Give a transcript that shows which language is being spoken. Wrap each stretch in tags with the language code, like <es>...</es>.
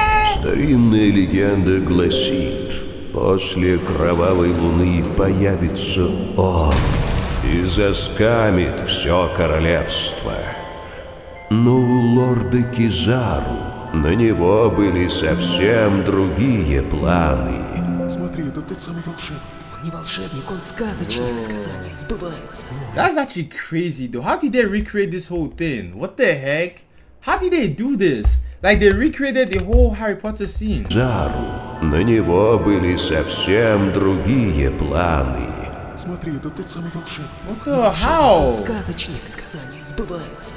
<ru>Старинная легенда гласит, после кровавой луны появится он и заскамит все королевство. Но у лорда Кизару на него были совсем другие планы. Смотри, это тот самый волшебник. Он не волшебник, он сказочник. Сказание сбывается.</ru> <en>That's actually crazy though. How did they recreate this whole thing? What the heck? How did they do this? Like they recreated the whole Harry Potter scene.</en> <ru>Кизару, на него были совсем другие планы. Смотри, это тот самый волшебник.</ru> <en>What the how?</en> <ru>Сказочник, сказание сбывается.</ru>